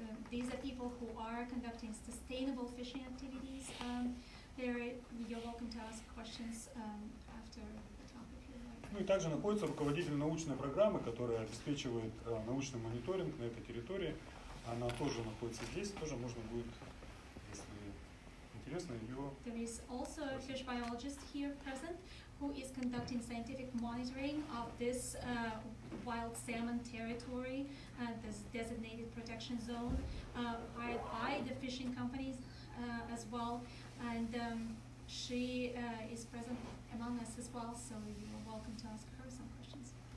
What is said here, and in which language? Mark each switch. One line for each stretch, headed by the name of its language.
English: These are people who are conducting sustainable fishing activities. You're welcome to ask questions after the talk if you like.
Russian: Ну и также находится руководитель научной программы, которая обеспечивает научный мониторинг на этой территории. Она тоже находится здесь, тоже можно будет, если интересно, ее.
English: There is also a fish biologist here present who is conducting scientific monitoring of this wild salmon territory, this designated protection zone, hired by the fishing companies as well. And she is present among us as well, so you are welcome to ask her some questions.